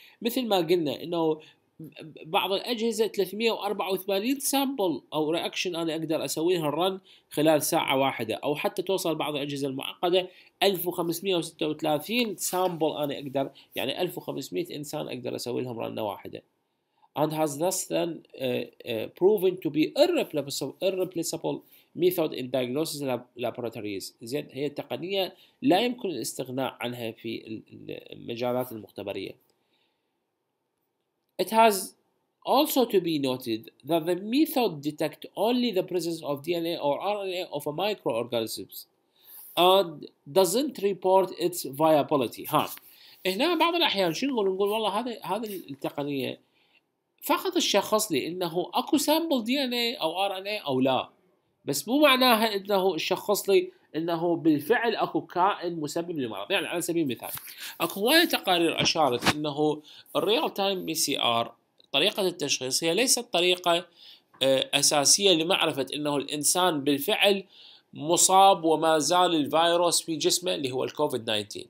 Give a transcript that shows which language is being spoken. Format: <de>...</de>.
<ar>مثل ما قلنا انه بعض الاجهزة 384 sample او reaction انا اقدر اسويها الرن خلال ساعة واحدة، او حتى توصل بعض الاجهزة المعقدة 1536 sample انا اقدر، يعني 1500 انسان اقدر اسوي لهم رن واحدة.</ar> <en>And has thus then proven to be irreplaceable method in diagnosis laboratories.</en> <ar>زين، هي التقنية لا يمكن الاستغناء عنها في المجالات المختبرية.</ar> <en>It has also to be noted that the method detect only the presence of DNA or RNA of a microorganisms and doesn't report its viability.</en> <ar>ها هنا بعض الأحيان شنو نقول؟ نقول والله هذه التقنية فقط الشخص لأنه أكو سامبل DNA أو RNA أو لا، بس مو معناها انه الشخص لي انه بالفعل اكو كائن مسبب للمرض. يعني على سبيل المثال اكو هواي تقارير اشارت انه الريال تايم بي سي ار طريقه التشخيص هي ليست طريقه اساسيه لمعرفه انه الانسان بالفعل مصاب وما زال الفيروس في جسمه اللي هو الكوفيد 19.</ar>